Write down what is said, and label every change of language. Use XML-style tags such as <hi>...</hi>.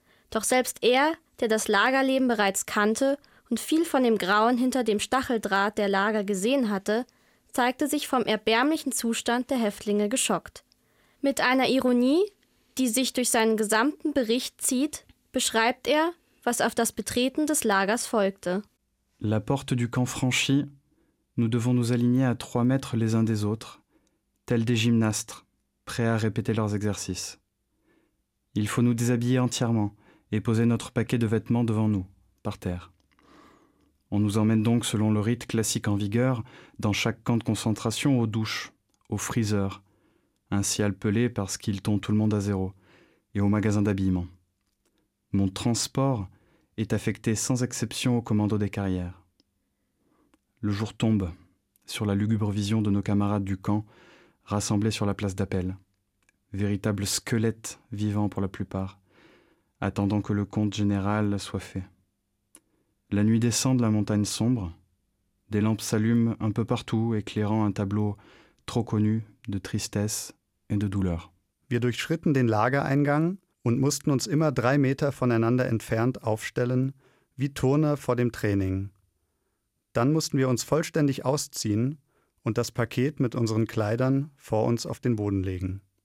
<de>Doch selbst er, der das Lagerleben bereits kannte und viel von dem Grauen hinter dem Stacheldraht der Lager gesehen hatte, zeigte sich vom erbärmlichen Zustand der Häftlinge geschockt. Mit einer Ironie, die sich durch seinen gesamten Bericht zieht, beschreibt er, was auf das Betreten des Lagers folgte.</de> <fr>La porte du camp franchie, nous devons nous aligner à 3 mètres les uns des autres, tels des gymnastes, prêts à répéter leurs exercices. Il faut nous déshabiller entièrement et poser notre paquet de vêtements devant nous, par terre. On nous emmène donc, selon le rite classique en vigueur, dans chaque camp de concentration aux douches, aux freezers, ainsi appelés parce qu'ils tont tout le monde à zéro, et aux magasins d'habillement. Mon transport est affecté sans exception au commando des carrières. Le jour tombe sur la lugubre vision de nos camarades du camp rassemblés sur la place d'appel, véritables squelettes vivants pour la plupart, attendant que le compte général soit fait. La nuit descend de la montagne sombre, Des lampes s'allument un peu partout, éclairant un tableau trop connu de tristesse et de douleur.</fr> <de>Wir durchschritten den Lagereingang und mussten uns immer 3 Meter voneinander entfernt aufstellen, wie Turner vor dem Training. Dann mussten wir uns vollständig ausziehen und das Paket mit unseren Kleidern vor uns auf den Boden legen.</de>